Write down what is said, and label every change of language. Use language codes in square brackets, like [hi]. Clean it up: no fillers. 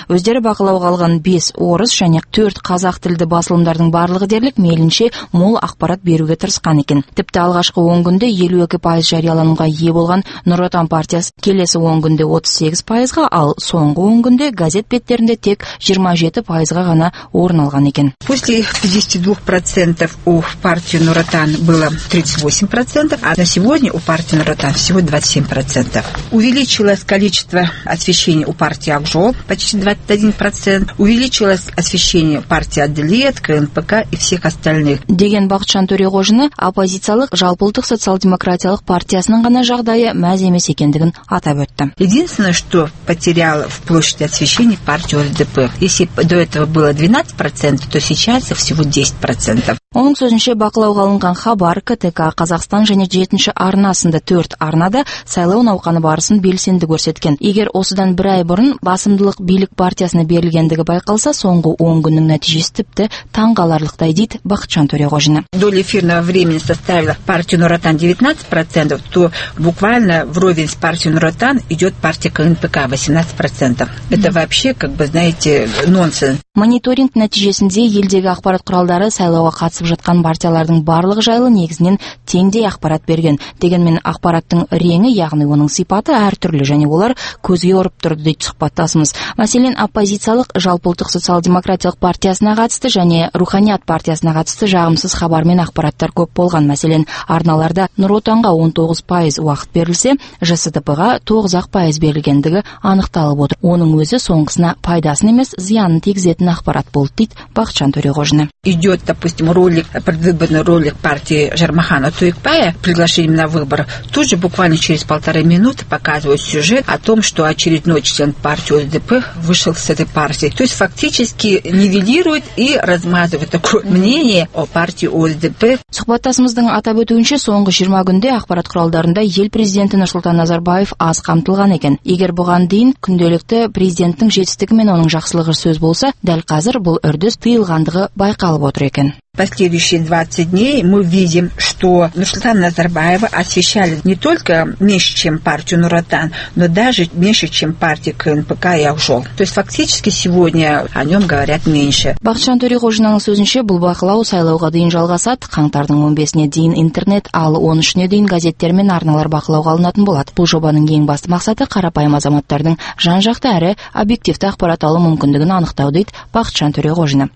[kk] Өздері бақылауға алған 5 орыс және 4 қазақ тілді басылымдардың барлығы дерлік мейлінше мол ақпарат беруге тырысқан екен. Тіпті алғашқы 10 күнде 52% жарияланымға ие болған Нұр Отан партиясы келесі 10 күнде 38%-ға, ал соңғы 10 күнде газет беттерінде тек 27%-ға ғана орын алған екен. [ru] После 52% у партии Нур Отан было 38%, а на сегодня у партии Нур Отан всего 27%. Увеличилось количество освещения у партии Ак-Жол почти 21%. Увеличилось освещение партии Аделет, КНПК и всех остальных. [kk] Деген Бақытжан Төреғожины оппозициялық жалпыұлттық социал-демократиялық партиясының ғана жағдайы мәз емес екендігін атап өтті. [ru] Единственное, что потерял в площади освещение партии ОДП. Если до этого было 12%, то сейчас всего 10%. [kk] Оның сөзінше бақылауға алынған Хабар, КТК, Қазақстан және 7-ші арнасында 4 арнада сайлау науқаны барысын белсенді көрсеткен. Егер осыдан бір ай бұрын басымдылық билік партиясына берілгендігі байқалса, соңғы 10 күннің нәтижесі тіпті таңғаларлықтай дейді Бақытжан Төреғожина. [ru] Доля эфирного времени составила партия Нур Отан 19%, то буквально вровень с партией Нур Отан идет партия КНПК 18%. Это вообще, как бы, знаете, нонсенс. [kk] Мониторинг нәтижесінде елдегі ақпарат құралдары сайлауға қатысып жатқан партиялардың барлық жайлы негізінен теңдей ақпарат берген. Дегенмен ақпараттың реңі, яғни оның сипаты әртүрлі және олар көзге ұрып тұрды дейді сұхбаттасымыз. Мәселен, оппозициялық жалпыұлттық социал-демократиялық партиясына қатысты және руханият партиясына қатысты жағымсыз хабар мен ақпараттар көп болған. Мәселен, арналарда Нұр Отанға 19% уақыт берілсе, ЖСДП-ға 9% берілгендігі анықталып отыр. Оның өзі соңғысына пайдасын емес, зиянын тигізеді. Ақпарат болды дейді Бақытжан Төреғожина. [ru] Идет, допустим, ролик, предвыборный ролик партии Жармахана Туекбая, приглашение на выборы, тут же буквально через полторы минуты показывают сюжет о том, что очередной член партии ОДП вышел с этой партии. То есть фактически нивелирует и размазывает такое мнение о партии ОДП. [kk] Сұхбаттасымыздың атап өтуінше, соңғы 20 күнде ақпарат құралдарында ел президенті Нұрсұлтан Назарбаев аз қамтылған екен. Егер бұған дейін күнделікті президенттің жетістігі мен оның жақсылығы сөз болса, дәл қазір бұл үрдіс тыйылғандығы байқалып отыр екен. [ru] последующие 20 дней мы видим, что Нурсултана Назарбаева освещали не только меньше, чем партию Нур-Отан, но даже меньше, чем партия КНПК и Ак-Жол. То есть фактически сегодня о нем говорят меньше. [kk] Бахчан Төрехожинаның сөзінше, бұл бақылау сайлауға дейін жалғасады. Қаңтардың 15-не дейін интернет, ал 13-не дейін газеттер мен арналар бақылауға алынатын болады. Бұл жобаның ең басты мақсаты қарапайым азаматтардың жан-жақты әрі объективті ақпарат алу мүмкіндігін анықтау, дейді Бақытжан Төреғожин.